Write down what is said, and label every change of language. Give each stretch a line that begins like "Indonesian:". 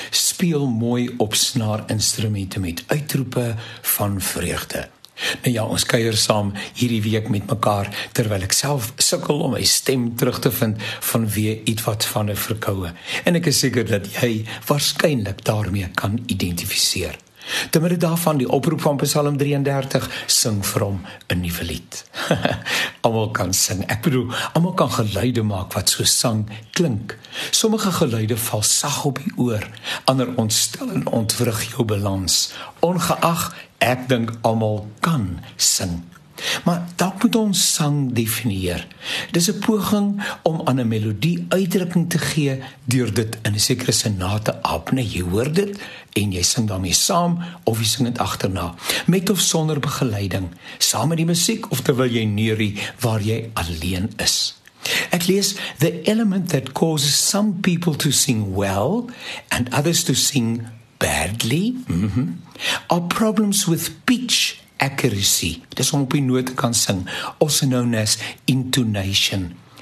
Afrikaans: Speel mooi op snaarinstrumente met uitroepe van vreugde. Nou ja, ons kuier saam hierdie week met mekaar terwyl ek self sukkel om my stem terug te vind vanweë ietwat van 'n verkoue. En ek is seker dat jy waarskynlik daarmee kan identifiseer. Te midde daarvan die oproep van Psalm 33, sing vir hom 'n nuwe lied. Almal kan sing, ek bedoel, almal kan geluide maak wat so sang klink. Sommige geluide val sag op die oor, ander ontstel en ontwrig jou balans. Ongeag, ek dink almal kan sing. Maar dalk moet ons sang definieer. Dis 'n poging om aan 'n melodie uitdrukking te gee deur dit in 'n sekere sin na te aap. Nee, jy hoor dit en jy sing daarmee saam of jy sing dit agterna. Met of sonder begeleiding, saam met die musiek of terwyl jy neurie waar jy alleen is. Ek lees,
English: the element that causes some people to sing well and others to sing badly are problems with pitch accuracy.
Afrikaans: Dis om op die noot kan sing,
English: also known as intonation.